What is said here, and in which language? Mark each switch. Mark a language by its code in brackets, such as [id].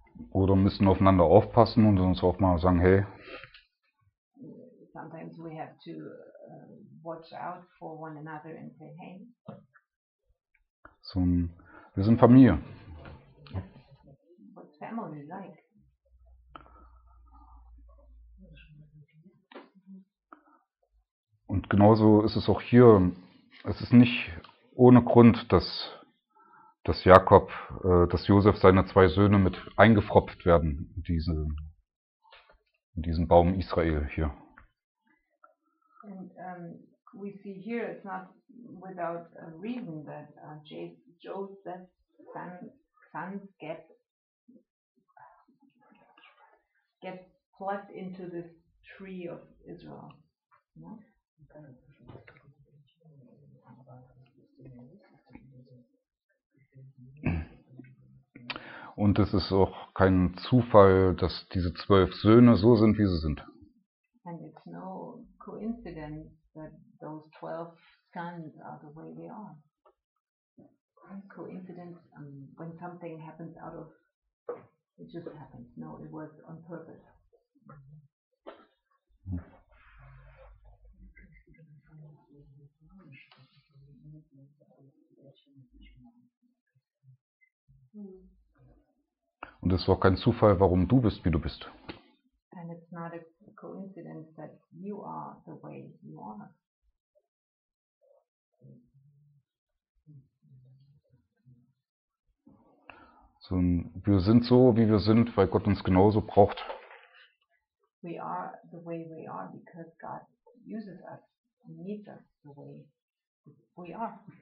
[de] Oder müssen aufeinander aufpassen und uns auch mal sagen, hey. [en] Sometimes we have to watch out for one another and say, hey. [de] So, wir sind Familie. [en] What's family like? [de] Und genauso ist es auch hier. Es ist nicht ohne Grund, dass Josef seine zwei Söhne mit eingefropft werden in diesen Baum Israel hier. [en] And we see here it's not without a reason that Joseph's sons get plucked into this tree of Israel. No? Okay. [de] Und es ist auch kein Zufall, dass diese 12 Söhne so sind, wie sie sind. [en] And it's no coincidence that those 12 sons are the way they are. Coincidence, when something happens out of, it just happens. No, it was on purpose. [de] Und es war kein Zufall, warum du bist, wie du bist. [en] And it's not a coincidence that you are the way you are. [de] So, wir sind so, wie wir sind, weil Gott uns genauso braucht. [en] We are the way we are because God uses us and needs us the way we are.